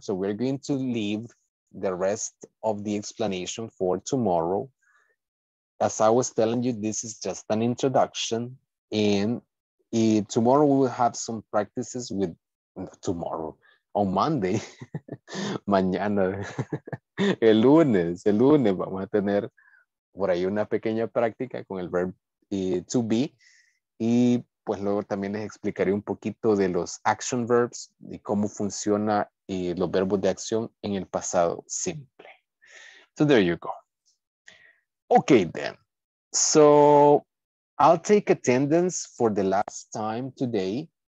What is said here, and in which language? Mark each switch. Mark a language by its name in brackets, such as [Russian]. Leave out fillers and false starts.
[English] So we're going to leave the rest of the explanation for tomorrow. As I was telling you, this is just an introduction. And tomorrow we will have some practices with tomorrow. On Monday, [Spanish] mañana, el lunes vamos a tener por ahí una pequeña práctica con el verb to be. Y pues luego también les explicaré un poquito de los action verbs y cómo funciona los verbos de acción en el pasado simple. [English] So there you go. Okay then. So I'll take attendance for the last time today.